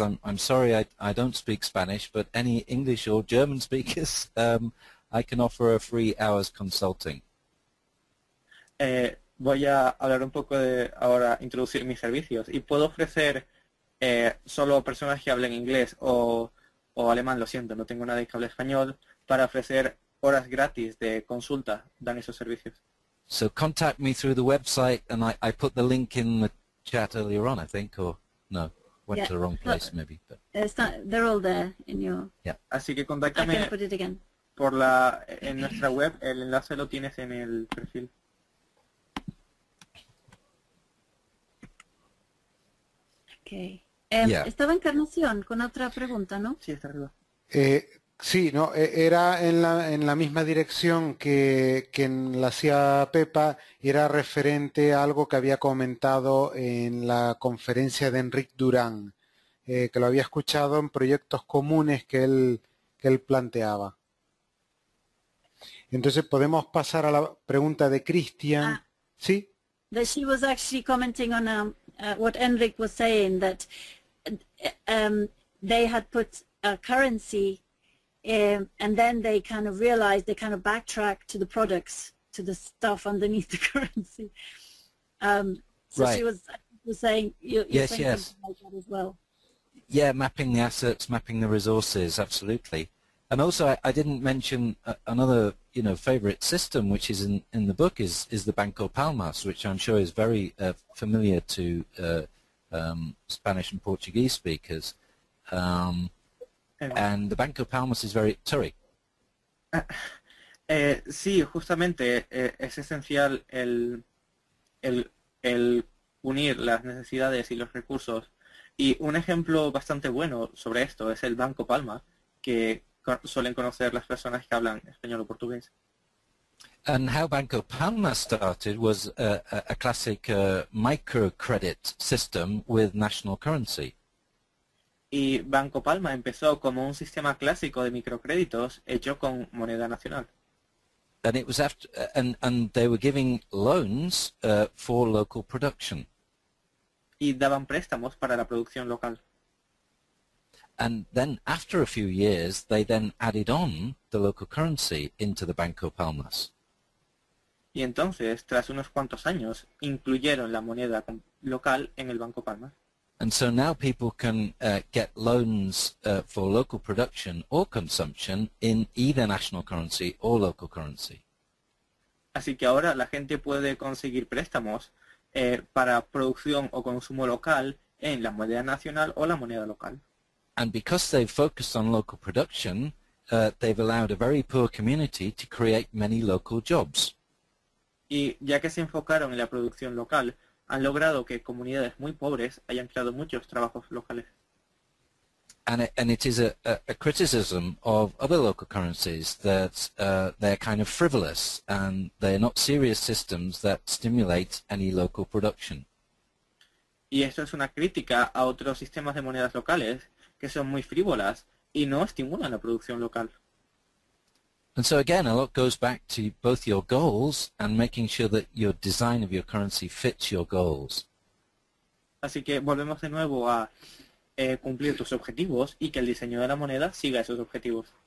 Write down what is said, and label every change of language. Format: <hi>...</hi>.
<en>I'm sorry, I don't speak Spanish, but any English or German speakers, I can offer a 3 hours consulting.</en> <es>Voy a hablar un poco de ahora introducir mis servicios y puedo ofrecer solo personas que hablen inglés o alemán. Lo siento, no tengo nadie que hable español para ofrecer horas gratis de consulta, dan esos servicios.</es> <en>So contact me through the website, and I put the link in the chat earlier on, I think, or no, went to the wrong place, maybe. But... they're all there in your... Yeah.</en> <es>Así que contáctame en nuestra web, el enlace lo tienes en el perfil. Okay. Estaba Encarnación con otra pregunta, ¿no? Sí, está arriba. Sí, no, era en la misma dirección que la hacía Pepa, era referente a algo que había comentado en la conferencia de Enric Durán, que lo había escuchado en proyectos comunes que él planteaba. Entonces podemos pasar a la pregunta de Cristian. Sí.</es> <en>That she was actually commenting on what Enric was saying, that they had put a currency. And then they kind of realized, they kind of backtracked to the products, to the stuff underneath the currency. Right. So she was saying, you're saying something about that as well. Yeah, mapping the assets, mapping the resources, absolutely. And also, I didn't mention another, you know, favorite system, which is in the book, is the Banco Palmas, which I'm sure is very familiar to Spanish and Portuguese speakers. And the Banco Palmas is very Turi.</en> <es>Sí, justamente es esencial el unir las necesidades y los recursos. Y un ejemplo bastante bueno sobre esto es el Banco Palma, que suelen conocer las personas que hablan español o portugués.</es> <en>And how Banco Panma started was a classic microcredit system with national currency.</en> <es>Y Banco Palma empezó como un sistema clásico de microcréditos hecho con moneda nacional.</es> <en>And it was after, and they were giving loans for local production.</en> <es>Y daban préstamos para la producción local.</es> <en>And then after a few years, they then added on the local currency into the Banco Palmas.</en> <es>Y entonces, tras unos cuantos años, incluyeron la moneda local en el Banco Palma.</es> <en>And so now people can get loans for local production or consumption in either national currency or local currency.</en> <es>Así que ahora la gente puede conseguir préstamos para producción o consumo local en la moneda nacional o la moneda local.</es> <en>And because they've focused on local production, they've allowed a very poor community to create many local jobs.</en> <es>Y ya que se enfocaron en la producción local, han logrado que comunidades muy pobres hayan creado muchos trabajos locales.</es> <en>And it is a criticism of other local currencies that they're kind of frivolous and they're not serious systems that stimulate any local production.</en> <es>Y esto es una crítica a otros sistemas de monedas locales que son muy frívolas y no estimulan la producción local.</es> <en>And so again, a lot goes back to both your goals and making sure that your design of your currency fits your goals.</en> <es>Así que volvemos de nuevo a cumplir tus objetivos y que el diseño de la moneda siga esos objetivos.</es>